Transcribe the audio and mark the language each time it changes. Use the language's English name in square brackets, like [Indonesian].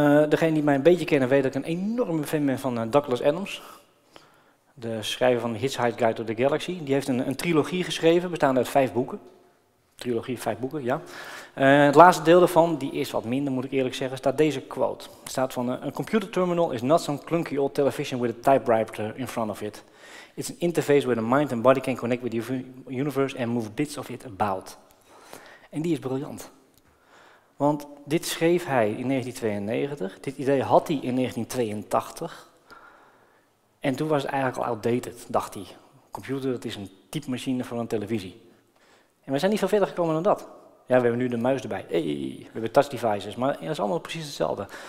[Dutch] Degene die mij een beetje kennen weet dat ik een enorme fan ben van Douglas Adams. De schrijver van Hitchhiker's Guide to the Galaxy. Die heeft een trilogie geschreven, bestaande uit 5 boeken. Trilogie, 5 boeken, ja. Het laatste deel daarvan, die is wat minder moet ik eerlijk zeggen, staat deze quote. Het staat van, [English] a computer terminal is not some clunky old television with a typewriter in front of it. It's an interface where the mind and body can connect with the universe and move bits of it about. [Dutch] En die is briljant. Want dit schreef hij in 1992, dit idee had hij in 1982. En toen was het eigenlijk al outdated, dacht hij. Computer, dat is een typemachine van een televisie. En we zijn niet veel verder gekomen dan dat. Ja, we hebben nu de muis erbij. Hey, we hebben touch devices, maar dat is allemaal precies hetzelfde.